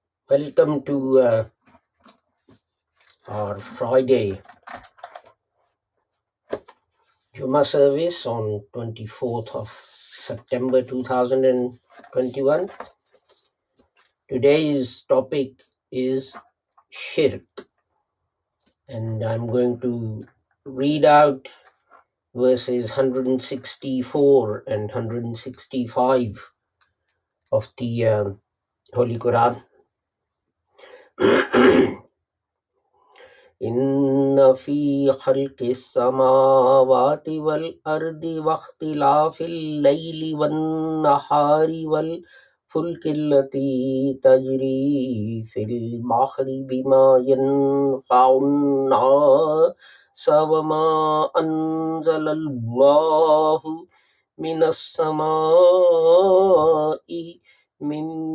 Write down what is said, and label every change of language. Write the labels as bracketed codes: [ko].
[en] Welcome to our Friday Juma service on 24th of September 2021. Today's topic is shirk, and I'm going to read out verses 164 and 165 of the Holy Quran. [ar] إن في خلق السماوات والأرض واختلاف الليل والنهار والفلك التي تجري في البحر بما ينفع الناس وما أنزل الله من السماء من